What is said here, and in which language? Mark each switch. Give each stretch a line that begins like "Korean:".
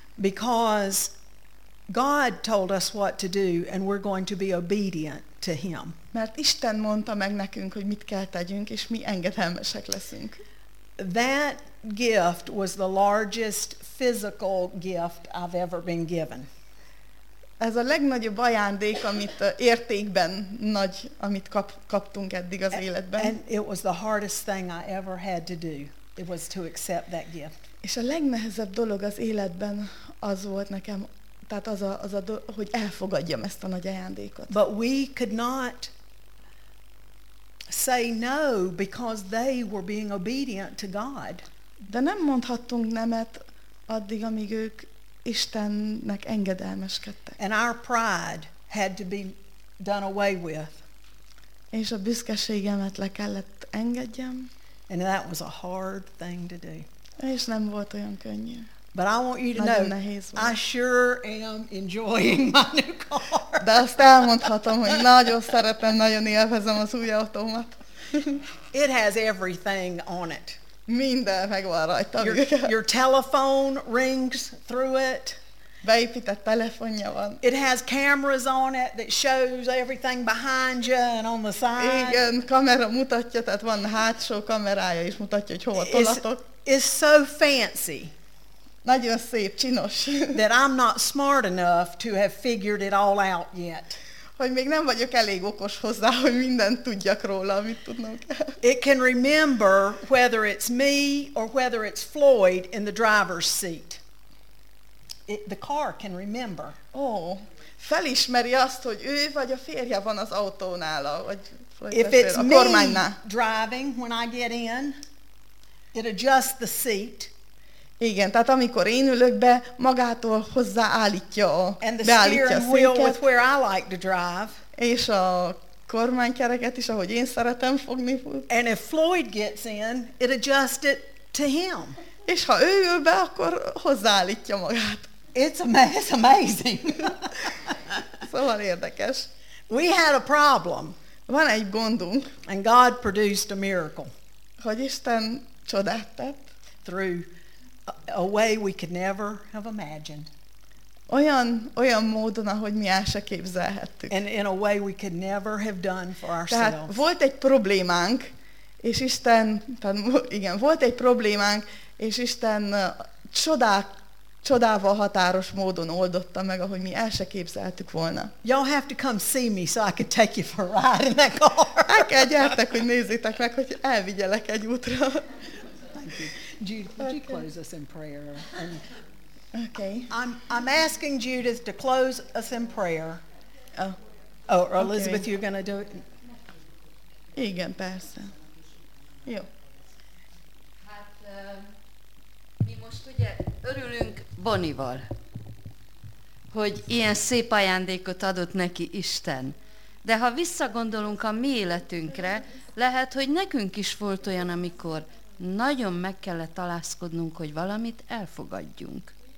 English: Because God told us what to do, and we're going to be obedient to Him.
Hungarian: Mert Isten mondta meg nekünk, hogy mit kell tegyünk, és mi engedelmesek leszünk.
English: That gift was the largest physical gift I've ever been given.
Hungarian: Ez a legnagyobb ajándék, amit értékben nagy, amit kaptunk eddig az életben.
English: And it was the hardest thing I ever had to do. It was to accept that gift.
Hungarian: És a legnehezebb dolog az életben az volt nekem. Tehát az a hogy elfogadjam ezt a nagy ajándékot.
English: But we could not say no because they were being obedient to God.
Hungarian: De nem mondhattunk nemet addig, amíg ők Istennek engedelmeskedtek.
English: And our pride had to be done away with.
Hungarian: És a büszkeségemet le kellett engedjem.
English: And that was a hard thing to do.
Hungarian: És nem volt olyan könnyű.
English: But I want you to know, I sure am enjoying my new car.
Hungarian: De azt elmondhatom, hogy nagyon szeretem, nagyon élvezem az új autómat.
English: It has everything on it.
Hungarian: Minden megvan rajta.
English: Your telephone rings through it.
Hungarian: Beépített telefonja van.
English: It has cameras on it that shows everything behind you and on the side.
Hungarian: Igen, kamera mutatja, tehát van hátsó kamerája is mutatja, hogy hova tolatok.
English: It's so fancy.
Hungarian: Nagyon szép, csinos.
English: That I'm not smart enough to have figured it all out yet.
Hungarian: Hogy még nem vagyok elég okos hozzá, hogy mindent tudjak róla, amit tudnom kell.
English: It can remember whether it's me or whether it's Floyd in the driver's seat. The car can remember.
Hungarian: Oh, felismeri azt, hogy ő vagy a férje van az autónál, vagy
English: if it's a kormánynál. Me driving when I get in, it adjusts the seat.
Hungarian: Igen, tehát amikor én ülök be, magától hozzáállítja a beállítja a széket,
English: where I like to drive.
Hungarian: És a kormánykereket is, ahogy én szeretem fogni.
English: And if Floyd gets in, it adjusts it to him.
Hungarian: És ha ő ül be, akkor hozzáállítja magát.
English: It's amazing.
Hungarian: Szóval érdekes.
English: We had a problem.
Hungarian: Van egy gondunk.
English: And God produced a miracle.
Hungarian: Hogy Isten csodát tett.
English: Through a way we could never have imagined.
Hungarian: Olyan módon, ahogy mi el se képzelhettük.
English: And in a way we could never have done for ourselves.
Hungarian: Tehát volt egy problémánk, és Isten, tehát igen, volt egy problémánk, és Isten csodával határos módon oldotta meg, ahogy mi el se képzeltük volna.
English: Y'all have to come see me so I could take you for a ride in that car.
Hungarian: El kell gyertek, hogy nézzétek meg, hogy elvigyelek egy útra.
English: Judith, would you close us in prayer? Okay. I'm asking Judith to close us in prayer. Oh, or Elizabeth, okay. You're going to do it?
Hungarian: Igen, persze. Jó. Hát, mi most ugye örülünk Bonival, hogy ilyen szép ajándékot adott neki Isten. De ha visszagondolunk a mi életünkre, lehet, hogy nekünk is volt olyan, amikor nagyon meg kellett alászkodnunk, hogy valamit elfogadjunk.